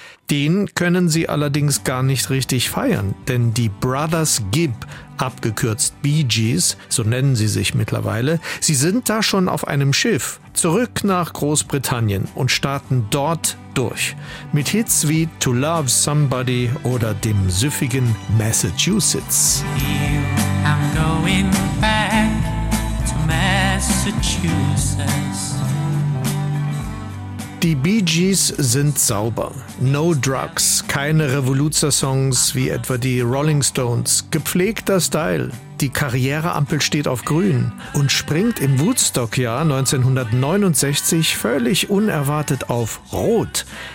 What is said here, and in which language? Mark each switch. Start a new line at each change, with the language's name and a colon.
German: Den können sie allerdings gar nicht richtig feiern, denn die Brothers Gibb, abgekürzt Bee Gees, so nennen sie sich mittlerweile, sie sind da schon auf einem Schiff, zurück nach Großbritannien und starten dort durch. Mit Hits wie To Love Somebody oder dem süffigen Massachusetts.
English: I'm going back to Massachusetts.
German: Die Bee Gees sind sauber.
English: No Drugs,
German: keine Revoluzzer-Songs wie etwa die Rolling Stones. Gepflegter Style. Die Karriereampel steht auf grün und springt im Woodstock-Jahr 1969 völlig unerwartet auf rot.